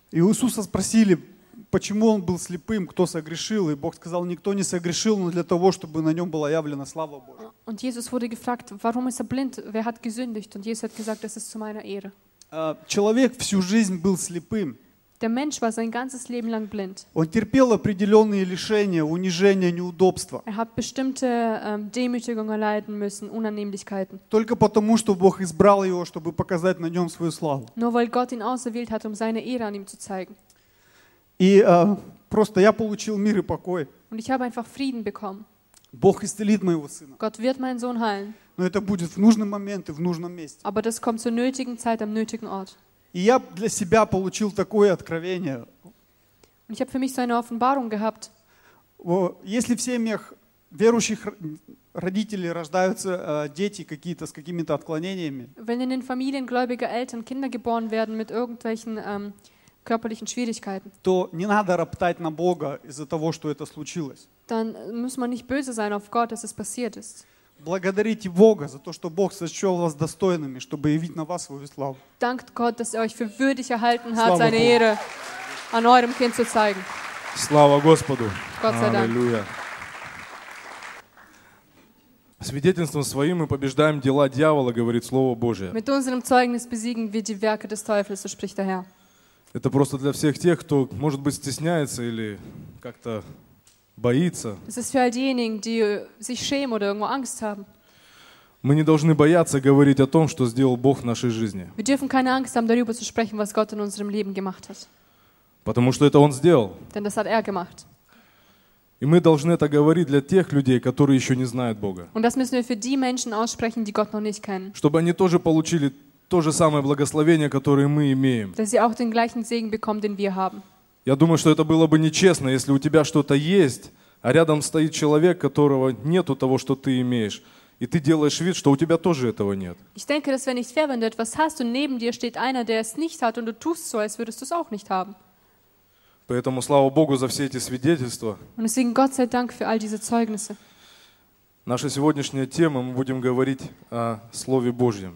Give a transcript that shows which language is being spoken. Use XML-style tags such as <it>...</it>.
<ru>И Иисуса спросили, почему он был слепым, кто согрешил, и Бог сказал, никто не согрешил, но для того, чтобы на нем была явлена слава Божья.</ru> <de>Und Jesus wurde gefragt, warum ist er blind? Wer hat gesündigt? Und Jesus hat gesagt, das ist zu meiner Ehre.</de> <ru>Человек всю жизнь был слепым.</ru> <de>Der Mensch war sein ganzes Leben lang blind.</de> <ru>Он терпел определенные лишения, унижения, неудобства.</ru> <de>Er hat bestimmte Demütigungen erleiden müssen, Unannehmlichkeiten.</de> <ru>Только потому, что Бог избрал его, чтобы показать на нем свою славу.</ru> <de>Nur weil Gott ihn auserwählt hat, um seine Ehre an ihm zu zeigen.</de> <ru>И просто я получил мир и покой.</ru> <de>Und ich habe einfach Frieden bekommen.</de> <ru>Бог исцелит моего сына.</ru> <de>Gott wird meinen Sohn heilen.</de> <ru>Но это будет в нужный момент и в нужном месте.</ru> <de>Aber das kommt zur nötigen Zeit am nötigen Ort.</de> <ru>И я для себя получил такое откровение.</ru> <de>Und ich habe für mich so eine Offenbarung gehabt.</de> <ru>Если в семьях верующих родителей рождаются дети какие-то с какими-то отклонениями.</ru> <de>Wenn in den Familien gläubiger Eltern Kinder geboren werden mit irgendwelchen körperlichen Schwierigkeiten.</de> <ru>То не надо роптать на Бога из-за того, что это случилось.</ru> <de>Dann muss man nicht böse sein auf Gott, dass es passiert ist.</de> <ru>Благодарите Бога за то, что Бог сочел вас достойными, чтобы явить на вас свою славу.</ru> <de>Dankt Gott, dass er euch für würdig erhalten hat,</de> <ru>Слава</ru> <de>seine</de> <ru>Богу.</ru> <de>Ehre an eurem Kind zu zeigen.</de> <ru>Слава Господу!</ru> <de>Gott sei Dank.</de> <ru>Аллилуйя! Свидетельством своим мы побеждаем дела дьявола, говорит Слово Божие.</ru> <de>Mit unserem Zeugnis besiegen wir die Werke des Teufels, so spricht der Herr.</de> <ru>Это просто для всех тех, кто, может быть, стесняется или как-то... боится.</ru> <de>Es ist für all diejenigen, die sich schämen oder irgendwo Angst haben.</de> <ru>Мы не должны бояться говорить о том, что сделал Бог в нашей жизни.</ru> <de>Wir dürfen keine Angst haben, darüber zu sprechen, was Gott in unserem Leben gemacht hat.</de> <ru>Потому что это Он сделал.</ru> <de>Denn das hat er gemacht.</de> <ru>И мы должны это говорить для тех людей, которые еще не знают Бога.</ru> <de>Und das müssen wir für die Menschen aussprechen, die Gott noch nicht kennen.</de> <ru>Чтобы они тоже получили то же самое благословение, которое мы имеем.</ru> <de>Dass sie auch den gleichen Segen bekommen, den wir haben.</de> <ru>Я думаю, что это было бы нечестно, если у тебя что-то есть, а рядом стоит человек, которого нету того, что ты имеешь, и ты делаешь вид, что у тебя тоже этого нет.</ru> <de>Ich denke, das wäre nicht fair, wenn du etwas hast und neben dir steht einer, der es nicht hat, und du tust so, als würdest du es auch nicht haben.</de> <ru>Поэтому слава Богу за все эти свидетельства.</ru> <de>Und deswegen Gott sei Dank für all diese Zeugnisse.</de> <ru>Наша сегодняшняя тема, мы будем говорить о Слове Божьем.</ru>